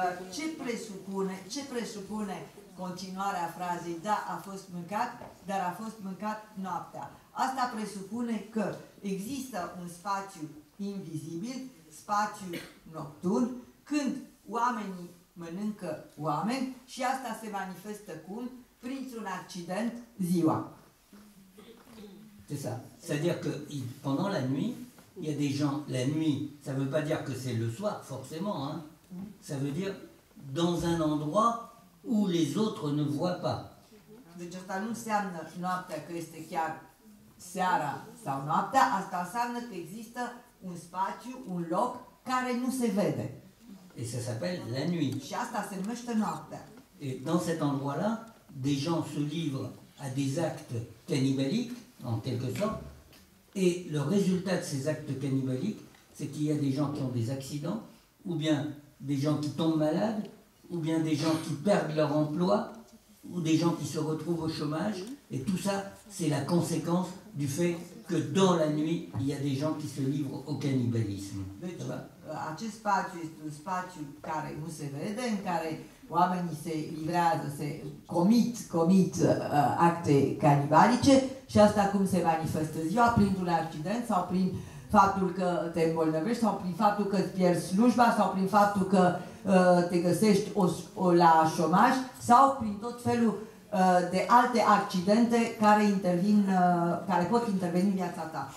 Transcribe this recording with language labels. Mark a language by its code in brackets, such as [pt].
[ro] ce presupune continuarea frazei, da, a fost mâncat, dar a fost mâncat noaptea. Asta presupune că există un spațiu invizibil, spațiu nocturn, când oamenii mănâncă oameni și asta se manifestă cum? Printr-un accident ziua. [fr] C'est ça. C'est-à-dire que pendant la nuit, il y a des gens, la nuit, ça ne veut pas dire que c'est le soir, forcément, hein. Ça veut dire dans un endroit où les autres ne voient pas. [ro] Deci asta nu înseamnă noaptea că este chiar seara sau noaptea, asta înseamnă că există un spațiu, un loc care nu se vede. [fr] Et ça s'appelle la nuit. [ro] Și asta se numește noaptea. [fr] Et dans cet endroit-là, des gens se livrent à des actes cannibaliques, en quelque sorte, et le résultat de ces actes cannibaliques, c'est qu'il y a des gens qui ont des accidents, ou bien des gens qui tombent malades, ou bien des gens qui perdent leur emploi, ou des gens qui se retrouvent au chômage, et tout ça, c'est la conséquence du fait que dans la nuit, il y a des gens qui se livrent au cannibalisme. [ro] Acest spațiu este un spațiu care nu se vede, în care oamenii se livrează, se comit acte canibalice și asta cum se manifestă ziua, printr-un accident sau prin faptul că te îmbolnăvești sau prin faptul că îți pierzi slujba sau prin faptul că te găsești la șomaj sau prin tot felul de alte accidente care intervin, care pot interveni în viața ta.